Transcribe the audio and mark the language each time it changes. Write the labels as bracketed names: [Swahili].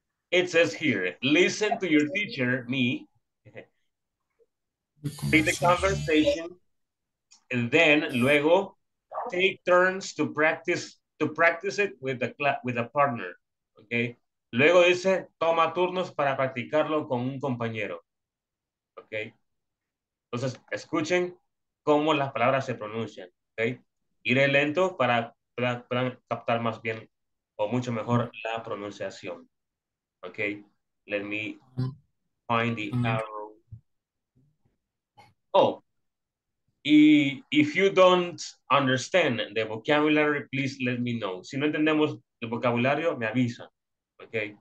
[English] It says here, listen to your teacher, me, read the conversation, and then luego take turns to practice it with a partner. [Spanish] Okay, luego dice, toma turnos para practicarlo con un compañero. Okay. Entonces, escuchen cómo las palabras se pronuncian, ¿ok? Iré lento para puedan captar más bien o mucho mejor la pronunciación, ¿ok? [English] Let me find the arrow. Oh, if you don't understand the vocabulary, please let me know. [Spanish] Si no entendemos el vocabulario, me avisan, ¿ok?